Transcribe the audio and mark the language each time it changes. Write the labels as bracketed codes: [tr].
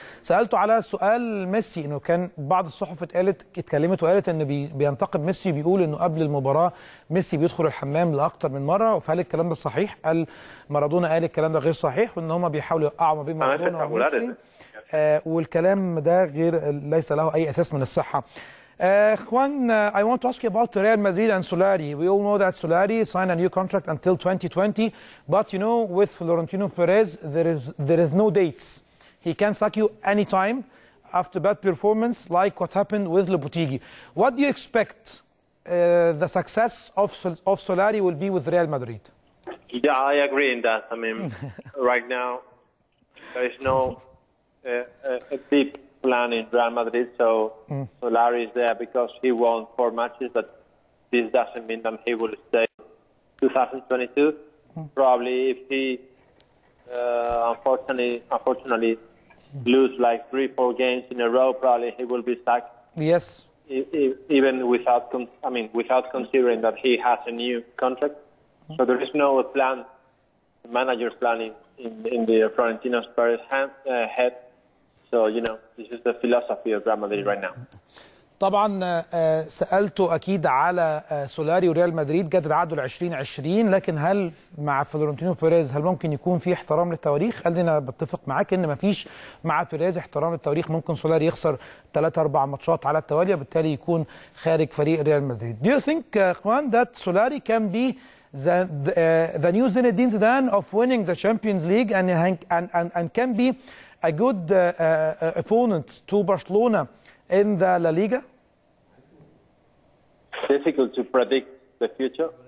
[ar] سالته على سؤال ميسي، انه كان بعض الصحف اتكلمت وقالت انه بينتقد ميسي، بيقول انه قبل المباراه ميسي بيدخل الحمام لاكثر من مره، فهل الكلام ده صحيح؟ قال مارادونا قال الكلام ده غير صحيح، وان هم بيحاولوا يقعوا ما بين مارادونا وميسي، والكلام ده غير ليس له اي اساس من الصحه. [en] Juan, I want to ask you about Real Madrid and Solari. We all know that Solari signed a new contract until 2020, but you know, with Florentino Perez, there is no dates. He can sack you anytime after bad performance, like what happened with Lopetegui. What do you expect the success of Solari will be with Real Madrid? Yeah, I agree in that. I mean, right now there is no deep plan in Real Madrid, so Solari is there because he won 4 matches, but this doesn't mean that he will stay 2022. Probably if he unfortunately lose like 3-4 games in a row, probably he will be sacked. Yes. Even without, I mean, without considering that he has a new contract. So there is no plan, manager's plan in the Florentino Perez's head. So, you know, this is the philosophy of Real Madrid right now. [ar] طبعا سألته أكيد على سولاري وريال مدريد، جدد عقده 2020، لكن هل مع فلورنتينو بيريز هل ممكن يكون في احترام للتواريخ؟ قال لي أنا بتفق معاك إن مفيش مع بيريز احترام للتواريخ، ممكن سولاري يخسر 3-4 ماتشات على التوالي وبالتالي يكون خارج فريق ريال مدريد. [en] Do you think Juan that Solari can be the new Zinedine Zidane of winning the Champions League and can be a good opponent to Barcelona in the La Liga? Difficult to predict the future.